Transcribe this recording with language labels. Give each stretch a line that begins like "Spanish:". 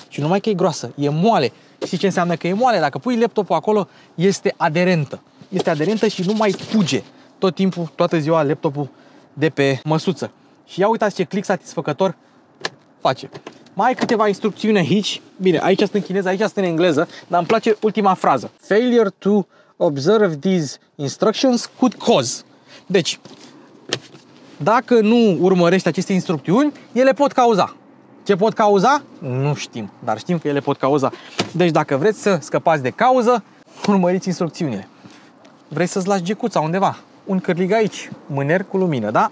Romanian: Și numai că e groasă, e moale. Știi ce înseamnă că e moale? Dacă pui laptopul acolo, este aderentă. Este aderentă și nu mai fuge tot timpul, toată ziua, laptopul de pe măsuță. Și ia uitați ce click satisfăcător face. Mai câteva instrucțiuni aici. Bine, aici sunt în chineză, aici sunt în engleză, dar îmi place ultima frază.
English: Failure to observe these instructions could cause.
Romanian: Deci, dacă nu urmărești aceste instrucțiuni, ele pot cauza. Ce pot cauza? Nu știm, dar știm că ele pot cauza. Deci, dacă vreți să scăpați de cauză, urmăriți instrucțiunile. Vrei să-ți lași gecuța undeva? Un cârlig aici, mâner cu lumină, da?